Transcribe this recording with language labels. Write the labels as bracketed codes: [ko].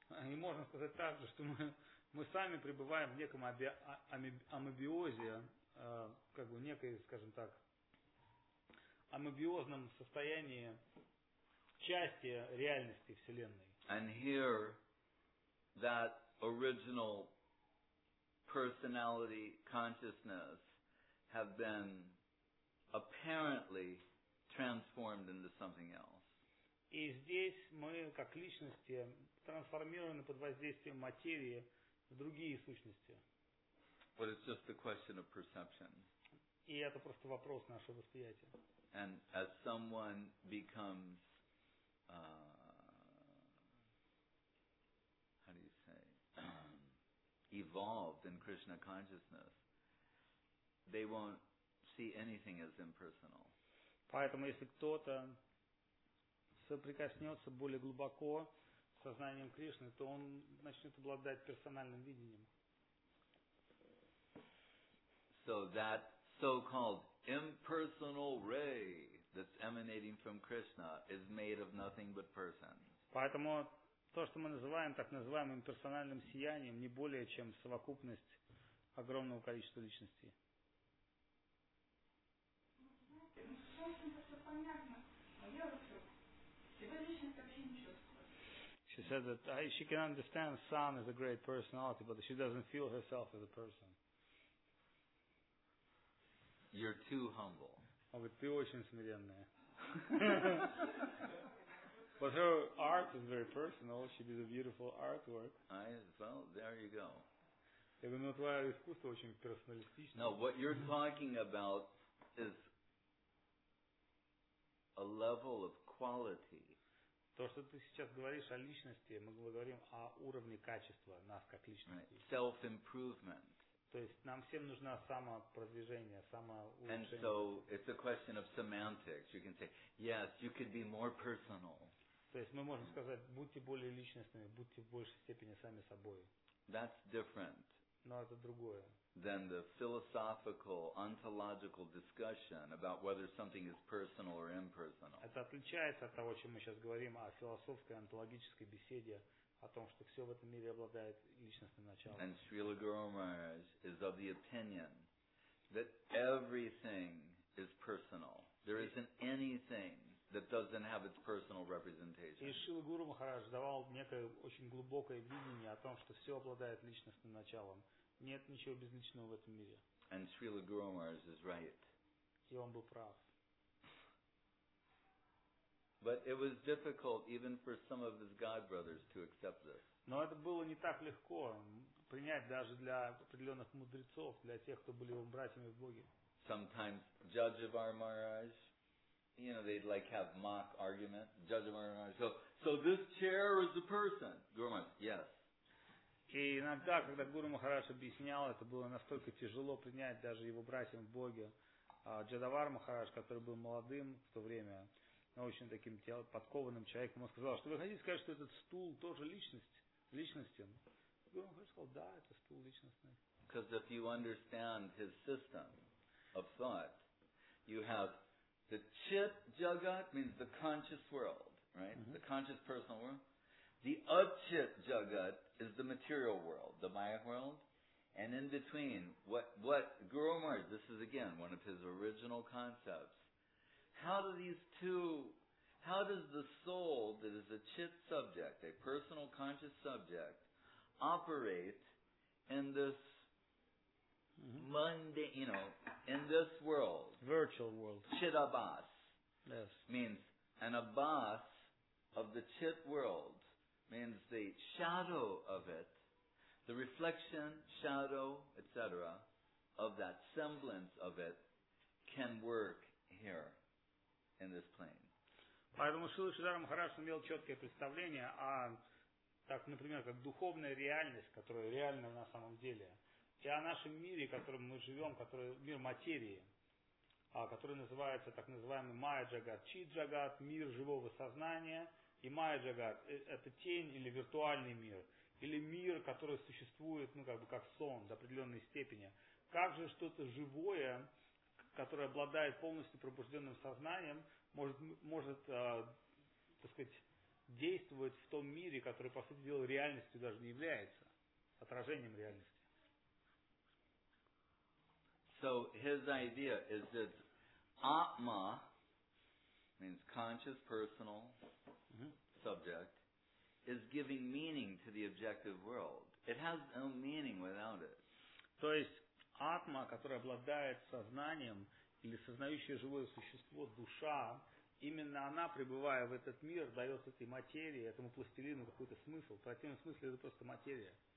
[ru] И можно сказать так же, что мы сами пребываем в неком амебиозе, как бы некой, скажем так, амебиозном состоянии части реальности Вселенной. [en] And here that original personality consciousness have been apparently transformed into something else. [ru] И здесь мы, как личности, трансформированы под воздействием материи в другие сущности. [en] But it's just a question of perception. [ru] И это просто вопрос нашего восприятия. [en] And as someone becomes, how do you say, evolved in Krishna consciousness, they won't see anything as impersonal. [ru] Поэтому если кто-то соприкоснется более глубоко сознанием Кришны, то он начнет обладать персональным видением. [en] So that so-called impersonal ray that's emanating from Krishna is made of nothing but persons. [ru] Поэтому то, что мы называем так называемым персональным сиянием, не более чем совокупность огромного количества личностей. [en] She said that she can understand Sun as a great personality, but she doesn't feel herself as a person. You're too humble. Oh, but [ru] ты очень смиренная. [en] But her art is very personal. She did a beautiful artwork. Well, there you go. [ru] Я говорю, ну твое искусство очень персоналистичное. [en] No, what you're talking about is a level of quality. [ru] То, что ты сейчас говоришь о личности, мы говорим о уровне качества нас как личности. [en] Right. Self-improvement. [ru] То есть нам всем нужно самопродвижение, самоулучшение. [en] And so it's a question of semantics. You can say, yes, you could be more personal. [ru] То есть мы можем сказать, будьте более личностными, будьте в большей степени сами собой. [en] That's different. [ru] Но это другое. [en] Than the philosophical, ontological discussion about whether something is personal or impersonal. [ru] Это отличается от того, о чем мы сейчас говорим, о философской, онтологической беседе, о том, что все в этом мире обладает личностным началом. [en] And Srila Guru Maharaj is of the opinion that everything is personal. There isn't anything that doesn't have its personal representation. [ru] И Шрила Гуру Махарадж давал некое очень глубокое видение о том, что все обладает личностным началом. Нет ничего безличного в этом мире. [en] And Srila Guru Maharaj is right. [ru] И он был прав. [en] But it was difficult even for some of his god brothers to accept this. [ru] Но это было не так легко принять даже для определенных мудрецов, для тех, кто были его братьями в Боге. [en] Sometimes Jajavar Maharaj, you know, they'd like have mock argument. Jajavar Maharaj, so this chair is the person. Guru Maharaj, yes. [ru] И иногда, когда Гуру Махарадж объяснял, это было настолько тяжело принять даже его братьям в Боге. Джадавар Махарадж, который был молодым в то время, очень таким подкованным человеком, он сказал, что вы хотите сказать, что этот стул тоже личностен? Гуру Махарадж сказал, да, это стул личностный. [en] Because if you understand his system of thought, you have the chit jagat, means the conscious world, right? Mm-hmm. The conscious personal world. The achit jagat is the material world, the maya world. And in between, what Guru Maharaj, this is again one of his original concepts. How does the soul that is a chit subject, a personal conscious subject, operate in this mm-hmm. mundane, you know, in this world. Virtual world. Chit abhas. Yes. Means an abhas of the chit world. Means the shadow of it. The reflection, shadow, etc. of that semblance of it can work here in this plane. [ru] Поэтому Шрила Шридхара Махарадж имел четкое представление о, так, например, как духовная реальность, которая реальна на самом деле. И о нашем мире, в котором мы живем, который мир материи, который называется так называемый майя-джагат, чит-джагат, мир живого сознания. И майя-джагат – это тень или виртуальный мир, или мир, который существует, ну, как бы, как сон до определенной степени. Как же что-то живое, которое обладает полностью пробужденным сознанием, может действовать в том мире, который, по сути дела, реальностью даже не является, отражением реальности. [en] So his idea is that Atma means conscious, personal mm-hmm. subject is giving meaning to the objective world. It has no meaning without it. [ru] То есть Атма, которая обладает сознанием или сознающее живое существо, душа, именно она, пребывая в этот мир, дает этой материи, этому пластилину какой-то смысл. В противном смысле это просто материя.